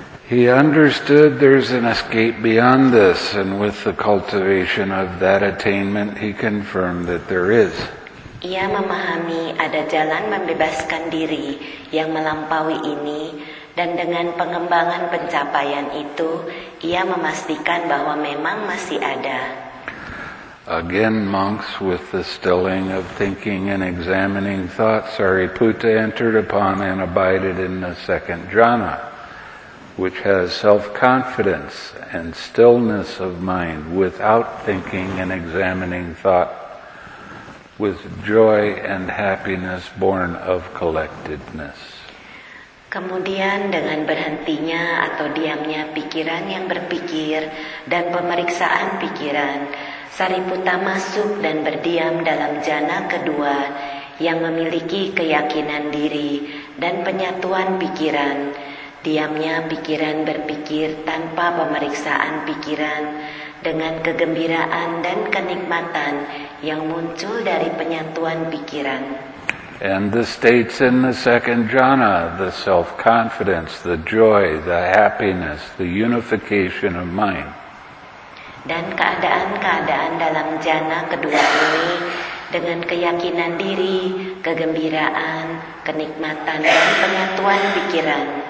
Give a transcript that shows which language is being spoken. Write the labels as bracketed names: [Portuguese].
[English] He understood there's an escape beyond this, and with the cultivation of that attainment, he confirmed that there is. [Indonesian] Ia memahami ada jalan membebaskan diri yang melampaui ini, dan dengan pengembangan pencapaian itu, ia memastikan bahwa memang masih ada. [English] Again, monks, with the stilling of thinking and examining thoughts, Sariputta entered upon and abided in the second jhana, which has self-confidence and stillness of mind without thinking and examining thought, with joy and happiness born of collectedness. [Indonesian] Kemudian dengan berhentinya atau diamnya pikiran yang berpikir dan pemeriksaan pikiran, Sariputta masuk dan berdiam dalam jhana kedua yang memiliki keyakinan diri dan penyatuan pikiran. Diamnya pikiran berpikir tanpa pemeriksaan pikiran, dengan kegembiraan dan kenikmatan yang muncul dari penyatuan pikiran. [English] And the states in the second jhana, the self-confidence, the joy, the happiness, the unification of mind. [Indonesian] Dan keadaan-keadaan dalam jhana kedua ini, dengan keyakinan diri, kegembiraan, kenikmatan, dan penyatuan pikiran.